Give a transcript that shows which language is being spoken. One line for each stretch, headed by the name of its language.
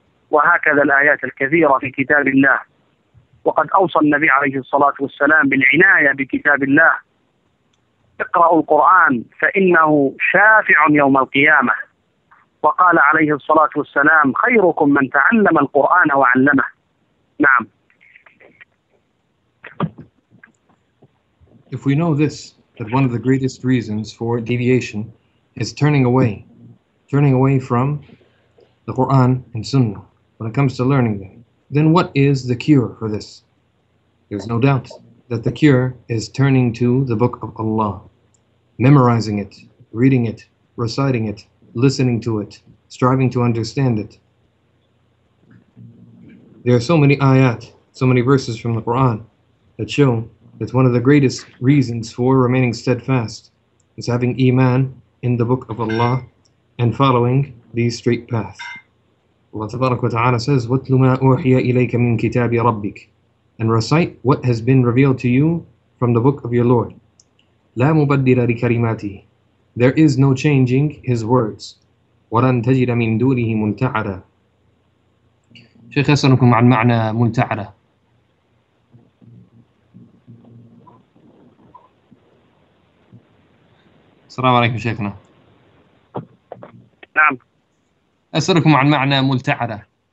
Arabic: وهكذا الآيات الكثيرة في كتاب الله. وقد أوصى النبي عليه الصلاة والسلام بالعناية بكتاب الله، اقرأوا القرآن فإنه شافع يوم القيامة. وقال عليه الصلاة والسلام خيركم من تعلم القرآن وعلمه. نعم.
English: If we know this, that one of the greatest reasons for deviation is turning away from the Quran and Sunnah when it comes to learning them, then what is the cure for this? There's no doubt that the cure is turning to the Book of Allah, memorizing it, reading it, reciting it, listening to it, striving to understand it. There are so many ayat, so many verses from the Quran that show that one of the greatest reasons for remaining steadfast is having iman in the Book of Allah and following the straight path. Allah Tabarak wa Ta'ala says,
Arabic: وَاتْلُ مَا أُوحِيَ إِلَيْكَ مِنْ كِتَابِ رَبِّكَ,
English: and recite what has been revealed to you from the Book of your Lord.
Arabic: لَا مُبَدِّلَ لِكَرِمَاتِهِ,
English: there is no changing his words.
Arabic: وَلَنْ تَجِدَ مِنْ دُونِهِ مُلْتَعَدًا. شيخ يسألكم عن معنى ملتعدة. السلام عليكم شيخنا. نعم. أسألكم عن معنى ملتعدة.